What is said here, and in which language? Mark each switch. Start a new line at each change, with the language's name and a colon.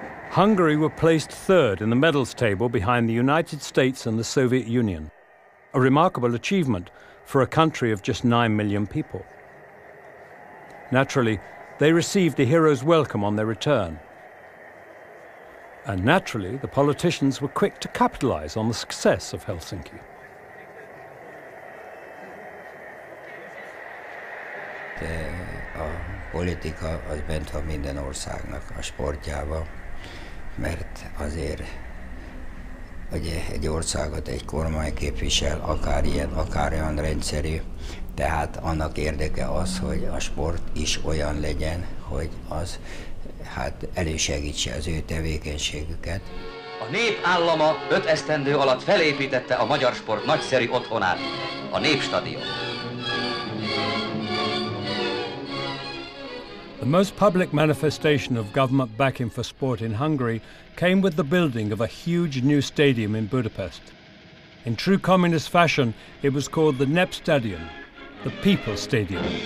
English: Hungary were placed third in the medals table behind the United States and the Soviet Union, a remarkable achievement for a country of just 9 million people. Naturally, they received a hero's welcome on their return. And naturally, the politicians were quick to capitalize on the success of Helsinki.
Hungarian: A politika az bent van minden országnak a sportjába. Mert azért hogy egy országot egy kormány képvisel, akár ilyen, akár olyan rendszerű. Tehát annak érdeke az, hogy a sport is olyan legyen, hogy az hát elősegítse az ő tevékenységüket. A nép állama 5 esztendő alatt felépítette a magyar sport nagyszerű otthonát, a Népstadion.
English: The most public manifestation of government backing for sport in Hungary came with the building of a huge new stadium in Budapest. In true communist fashion, it was called the Népstadion, the People's Stadium.